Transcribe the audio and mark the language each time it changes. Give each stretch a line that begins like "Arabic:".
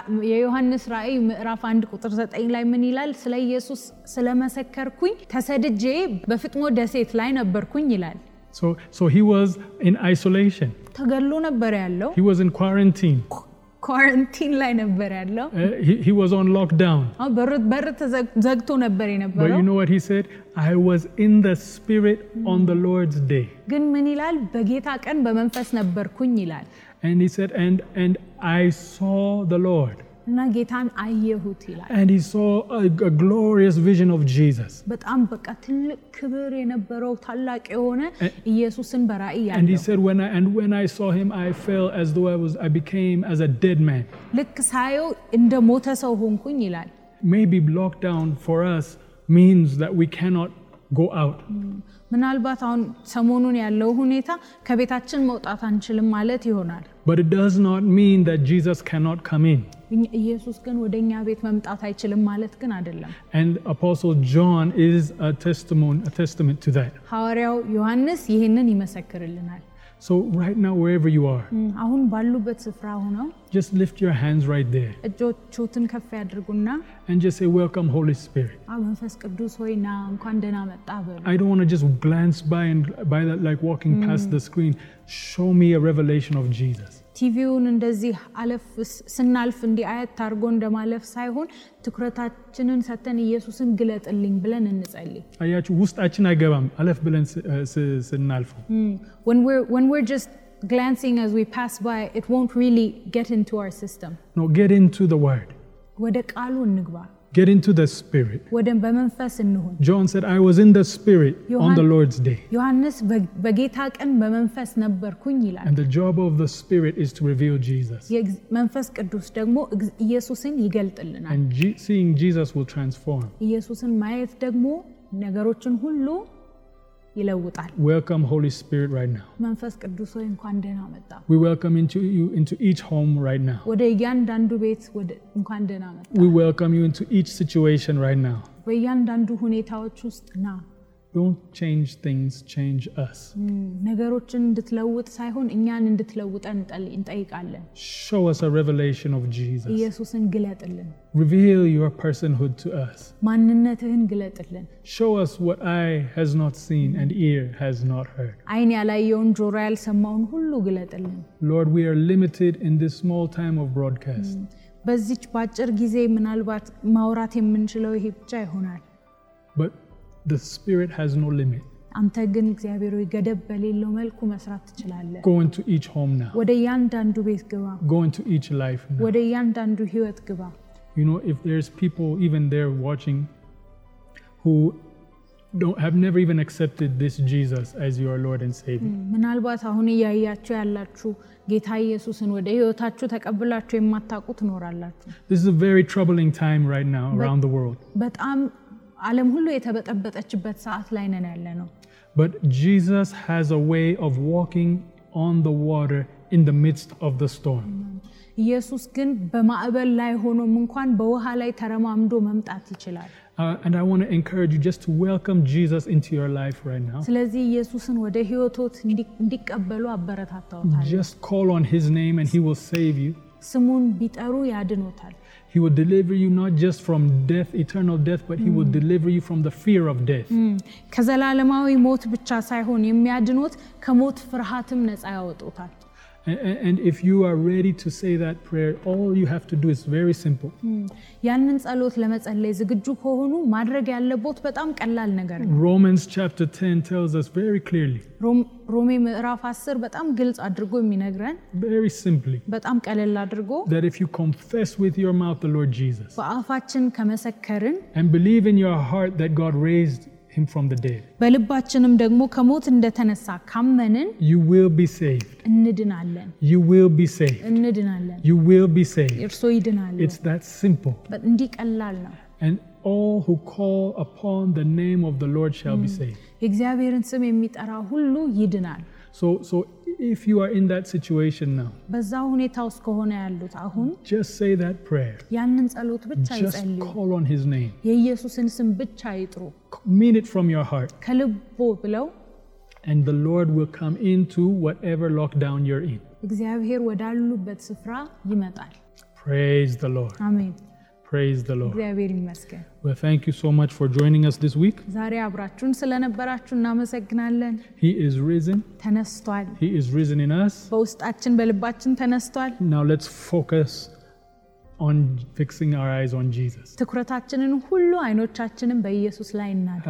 Amharic: የዮሐንስ ራእይ ምዕራፍ 1 ቁጥር 9 ላይ ምን ይላል ስለ ኢየሱስ ስለመሰከርኩኝ ተሰድጄ በፍጥሞ ደሴት ላይ ነበርኩኝ ይላል
English: So he was in isolation.
Amharic: ተገሎ ነበር ያለው
English: He was in quarantine.
Amharic: Quarantine ላይ ነበር ያለው
English: He was on lockdown.
Amharic: በር ተዘግቶ ነበር የነበረው
English: But you know what he said? I was in the spirit on the Lord's day.
Amharic: ግን ምን ይላል በጌታ ቀን በመንፈስ ነበርኩኝ ይላል
English: And he said and I saw the Lord.
Amharic: እና ጌታን አየሁት ይላል
English: And he saw a glorious vision of Jesus.
Amharic: በጣም በቃ ትልቅ ክብር የነበረው ታላቅ የሆነ ኢየሱስን በራእይ ያየው
English: And he said when I saw him I fell as though I became as a dead man.
Amharic: ልክ ሳየው እንደ ሞተ ሰው ሆንኩኝ ይላል
English: Maybe lockdown for us means that we cannot go out.
Amharic: ምናልባት አሁን ሰሞኑን ያለው ሁኔታ ከቤታችን መውጣት አንችልም ማለት ይሆናል
English: But it does not mean that Jesus cannot come in.
Amharic: ኢየሱስ ግን ወደኛ ቤት መምጣት አይችልም ማለት ግን አይደለም.
English: And Apostle John is a testament to that.
Amharic: ሐዋርያው ዮሐንስ ይሄንን ይመሰክርልናል.
English: So right now wherever you are.
Amharic: አሁን ባሉበት ስፍራ ሆነው
English: Just lift your hands right there.
Amharic: እጆቹን ከፍ ያድርጉና
English: And just say welcome Holy Spirit.
Amharic: መንፈስ ቅዱስ ሆይ ና እንኳን ደህና መጣህ በሉ.
English: I don't want to just glance by that like walking past the screen. Show me a revelation of Jesus.
Amharic: ቲቪውን እንደዚህ አለፍ ስናልፍ እንዲ አያት ታርጎ እንደማለፍ ሳይሆን ትኩረታችንን ሰተን ኢየሱስን ግለጥልኝ ብለን እንጸልይ አያችሁ ውስጣችን አይገባም አለፍ ብለን ስናልፍ
English: when we're just glancing as we pass by it won't really get into our system no get into the word
Amharic: ወደ ቃሉ እንግባ
English: get into the spirit
Amharic: ወደ በመንፈስ እንሁን
English: John said I was in the spirit on the Lord's day
Amharic: ዮሐንስ በጌታ ቀን በመንፈስ ነበርኩኝ ይላል
English: And the job of the spirit is to reveal Jesus
Amharic: መንፈስ ቅዱስ ደግሞ ኢየሱስን ይገልጥልናል
English: And seeing Jesus will transform
Amharic: ኢየሱስን ማየት ደግሞ ነገሮችን ሁሉ ይለውጣል
English: Welcome Holy Spirit right now
Amharic: መንፈስ ቅዱስ ሆይ እንኳን ደህና መጣህ
English: We welcome into you into each home right now
Amharic: ወደ እያንዳንዱ ቤት ወደ እንኳን ደህና መጣህ
English: We welcome you into each situation right now
Amharic: በእያንዳንዱ ሁኔታዎች ውስጥ ና
English: Don't change things change us
Amharic: ነገሮችን እንድትለውጥ ሳይሆን እኛን እንድትለውጠን እንጠይቃለን
English: Show us a revelation of Jesus
Amharic: ኢየሱስን ግለጥልን
English: Reveal your personhood to us.
Amharic: ማንነትህን ግለጥልን.
English: Show us what eye has not seen and ear has not heard.
Amharic: አይን ያላየውን ጆሮ ያልሰማውን ሁሉ ግለጥልን.
English: Lord, we are limited in this small time of broadcast.
Amharic: በዚች ባጭር ጊዜ ምናልባት ማውራት የምንችለው ይሄ ብቻ ይሆናል.
English: But the spirit has no limit.
Amharic: አንተ ግን እግዚአብሔር ሆይ ገደብ በሌለው መልኩ መስራት ትችላለህ.
English: Go into each home now.
Amharic: ወደ እያንዳንዱ ቤት ግባ.
English: Go into each life now.
Amharic: ወደ እያንዳንዱ ህይወት ግባ.
English: You know if there's people even there watching who don't have never even accepted this Jesus as your Lord and Savior.
Amharic: ምናልባት አሁን ያያችሁ ያላችሁ ጌታ ኢየሱስን ወደ ህይወታችሁ ተቀብላችሁ የማታውቁት ኖራላችሁ.
English: This is a very troubling time right now around the world.
Amharic: በጣም ዓለም ሁሉ የተበጠበጠችበት ሰዓት ላይ ነን ያለነው.
English: But Jesus has a way of walking on the water in the midst of the storm.
Amharic: ኢየሱስ ግን በማዕበል ላይ ሆኖም እንኳን በውሃ ላይ ተረማምዶ መምጣት ይችላል.
English: And I want to encourage you just to welcome Jesus into your life right now.
Amharic: ስለዚህ ኢየሱስን ወደ ህይወቶት እንዲቀበሉ አበረታታው.
English: Just call on his name and he will save you.
Amharic: ስሙን ቢጠሩ ያድኖታል.
English: He will deliver you not just from death, eternal death, but he will deliver you from the fear of death.
Amharic: ከዘላለማዊ ሞት ብቻ ሳይሆን የሚያድኖት ከሞት ፍርሃትም ነጻ ያወጣታል.
English: And if you are ready to say that prayer all you have to do is very simple.
Amharic: ያንን ጸሎት ለመጸለይ ዝግጁ ከሆኑ ማድረግ ያለብዎት በጣም ቀላል ነገር ነው.
English: Romans chapter 10 tells us very clearly.
Amharic: ሮሜ ምዕራፍ 10 በጣም ግልጽ አድርጎ የሚነግረን
English: very simply.
Amharic: በጣም ቀላል አድርጎ
English: that if you confess with your mouth the Lord Jesus.
Amharic: በአፋችን ከመሰከርን
English: and believe in your heart that God raised him from the dead.
Amharic: በልባችንም ደግሞ ከሞት እንደተነሳ ካመንን
English: you will be saved.
Amharic: እንድናለን.
English: You will be saved.
Amharic: እንድናለን.
English: You will be saved.
Amharic: እርሱ ይድናል.
English: It's that simple. But
Amharic: እንዲቀላል ነው.
English: And all who call upon the name of the Lord shall be saved.
Amharic: እግዚአብሔርን ስም የሚጠራ ሁሉ ይድናል.
English: So if you are in that situation now.
Amharic: በዛ ሁኔታ ውስጥ ከሆነ ያሉት አሁን
English: just say that prayer.
Amharic: ያንን ጸሎት ብቻ ይጸልዩ.
English: Just call on his name.
Amharic: የኢየሱስን ስም ብቻ ይጥሩ.
English: Mean it from your heart.
Amharic: ከልቦ ብለው
English: and the Lord will come into whatever lockdown you're in.
Amharic: እግዚአብሔር ወዳሉበት ስፍራ ይመጣል.
English: Praise the Lord. Amen. Praise the Lord.
Amharic: እግዚአብሔር ይመስገን.
English: Well, thank you so much for joining us this week.
Amharic: ዛሬ አብራችሁን ስለነበራችሁ እናመሰግናለን.
English: He is risen.
Amharic: ተነስተዋል.
English: He is risen in us.
Amharic: በውስጣችን በልባችን ተነስተዋል.
English: Now let's focus on fixing our eyes on Jesus.
Amharic: ትኩረታችንን ሁሉ አይኖቻችንን በኢየሱስ ላይ እናድርግ.